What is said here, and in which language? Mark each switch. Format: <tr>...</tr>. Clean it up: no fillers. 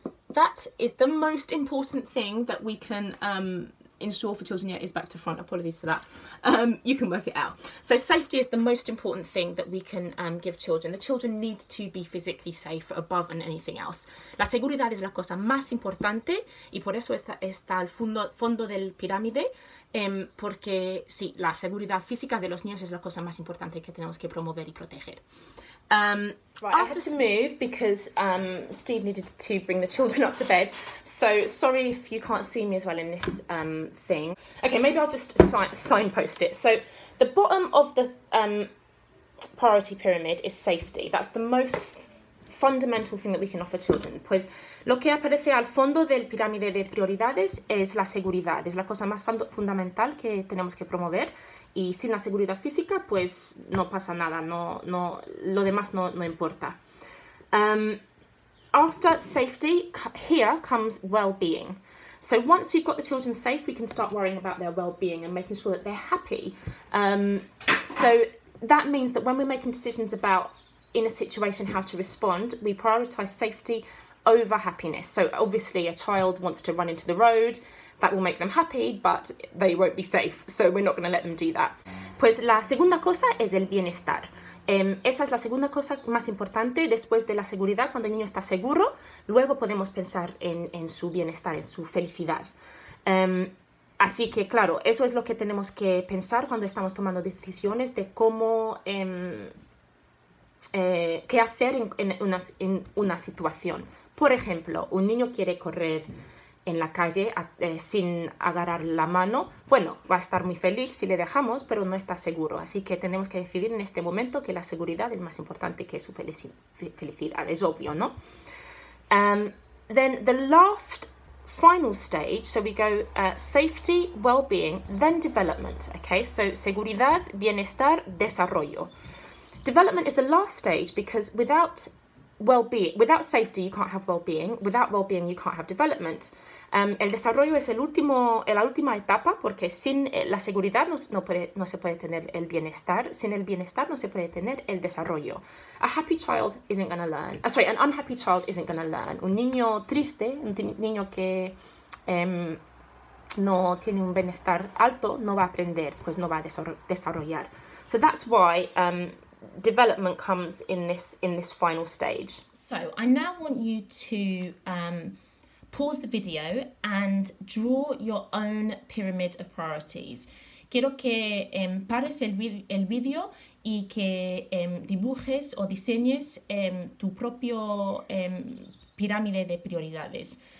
<en>That is the most important thing that we can ensure for children. Yeah, it is back to front, apologies for that. You can work it out. So safety is the most important thing that we can give children. The children need to be physically safe above and anything else.</en> <es>La seguridad es la cosa más importante, y por eso está al fondo del pirámide, porque sí, la seguridad física de los niños es la cosa más importante que tenemos que promover y proteger.</es> <en>Right, I had to move because Steve needed to bring the children up to bed. So sorry if you can't see me as well in this thing. Okay, maybe I'll just signpost it. So the bottom of the priority pyramid is safety. That's the most fundamental thing that we can offer children.</en> <es>Pues lo que aparece al fondo del pirámide de prioridades es la seguridad. Es la cosa más fundamental que tenemos que promover. Y sin la seguridad física, pues no pasa nada, lo demás no importa.</es> <en>After safety, here comes well-being. So once we've got the children safe, we can start worrying about their well-being and making sure that they're happy. So that means that when we're making decisions about in a situation how to respond, we prioritise safety over happiness. So obviously a child wants to run into the road, that will make them happy, but they won't be safe, so we're not going to let them do that.</en> <es>Pues la segunda cosa es el bienestar. Esa es la segunda cosa más importante. Después de la seguridad, cuando el niño está seguro, luego podemos pensar en su bienestar, en su felicidad. Así que, claro, eso es lo que tenemos que pensar cuando estamos tomando decisiones de cómo, qué hacer en una situación. Por ejemplo, un niño quiere correr en la calle sin agarrar la mano, bueno, va a estar muy feliz si le dejamos, pero no está seguro. Así que tenemos que decidir en este momento que la seguridad es más importante que su felicidad, es obvio, ¿no?</es> <en>Then the last final stage, so we go safety, well-being, then development, okay? So</en> <es>seguridad, bienestar, desarrollo.</es> <en>Development is the last stage because without safety, you can't have well-being. Without well-being, you can't have development.</en> <es>El desarrollo es la última etapa porque sin la seguridad no se puede tener el bienestar. Sin el bienestar no se puede tener el desarrollo.</es> <en>A happy child isn't going to learn. An unhappy child isn't going to learn.</en> <es>Un niño triste, un niño que no tiene un bienestar alto, no va a aprender, pues no va a desarrollar.</es> <en>So that's why development comes in this final stage. So I now want you to pause the video and draw your own pyramid of priorities.</en> <es>Quiero que pares el video y que dibujes o diseñes tu propio pirámide de prioridades.</es>